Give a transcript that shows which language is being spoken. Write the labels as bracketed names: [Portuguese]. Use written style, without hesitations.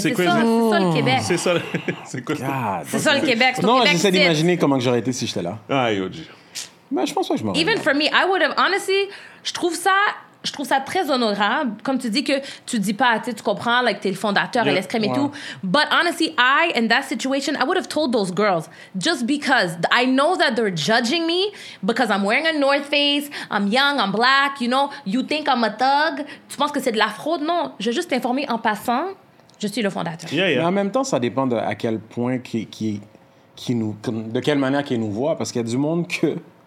[French] c'est crazy. Ça, c'est ça le Québec. C'est ça. C'est quoi ça? C'est ça le Québec. Non, Québec j'essaie d'imaginer comment que j'aurais été si j'étais là. Ah, Yoji. Mais je pense pas que je m'en. [English] Even for me, I would have honestly. [French] Je trouve ça très honorable, comme tu dis que tu dis pas, tu comprends, like t'es le fondateur, yep. l'escrime et wow. tout. [English] But honestly, I in that situation, I would have told those girls just because I know that they're judging me because I'm wearing a North Face, I'm young, I'm black, you know, you think I'm a thug. [French] Tu penses que c'est de la fraude? Non, je vais juste t'informer en passant. Je suis le fondateur. [English] Yeah, yeah. [French] Mais en même temps, ça dépend de à quel point qui nous, de quelle manière qu'ils nous voient, parce qu'il y a du monde que.